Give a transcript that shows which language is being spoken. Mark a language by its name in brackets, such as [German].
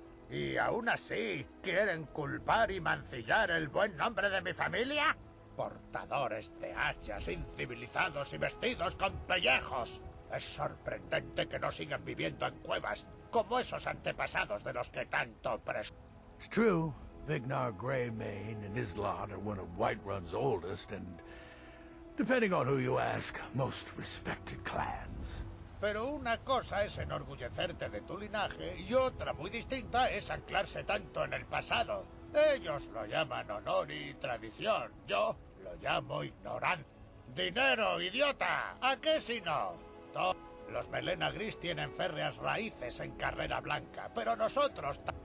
[Spanish] ¿Y aún así quieren culpar y mancillar el buen nombre de mi familia? Portadores de hachas, incivilizados y vestidos con pellejos. Es sorprendente que no sigan viviendo en cuevas, como esos antepasados de los que tanto pres... [English] It's true, Vignar Greymane and his lot are one of Whiterun's oldest and, depending on who you ask, most respected clans. [Spanish] Pero una cosa es enorgullecerte de tu linaje y otra muy distinta es anclarse tanto en el pasado. Ellos lo llaman honor y tradición. Yo lo llamo ignorante. ¡Dinero, idiota! ¿A qué si no? Los Melena Gris tienen férreas raíces en Carrera Blanca, pero nosotros...